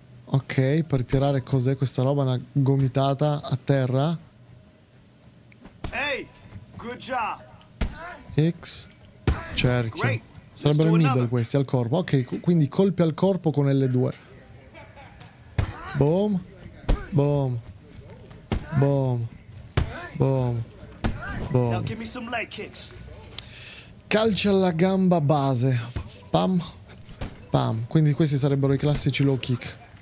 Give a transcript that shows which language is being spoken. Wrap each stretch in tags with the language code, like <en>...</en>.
<it>Ok, per tirare cos'è questa roba, una gomitata a terra.</it> <en>Hey, good job.</en> <it>X, cerchio. Sarebbero i middle questi, al corpo. Ok, quindi colpi al corpo con L2. Boom, boom, boom, boom, boom.</it> <en>Now give me some leg kicks.</en> <it>Calci alla gamba base. Pam, pam. Quindi questi sarebbero i classici low kick.</it>